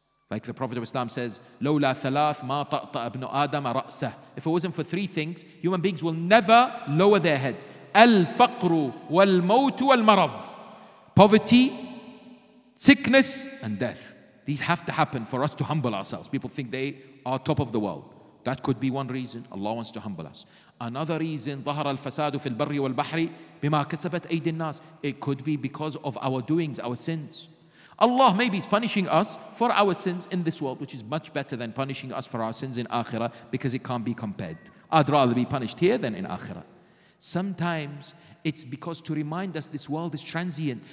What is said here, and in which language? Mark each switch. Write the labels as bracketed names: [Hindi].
[English] Like the Prophet of Islam says, [Arabic] لولا ثلاث ما طأطأ ابن آدم رأسه. [English] If it wasn't for three things, human beings will never lower their head. [Arabic] الفقر والموت والمرض. [English] Poverty, sickness, and death. These have to happen for us to humble ourselves. People think they are top of the world. That could be one reason. Allah wants to humble us. Another reason, [Arabic] ظهر الفساد في البر والبحر بما كسبت أيدي الناس. [English] It could be because of our doings, our sins. Allah maybe is punishing us for our sins in this world, which is much better than punishing us for our sins in Akhirah, because it can't be compared. I'd rather be punished here than in Akhirah. Sometimes it's because to remind us this world is transient.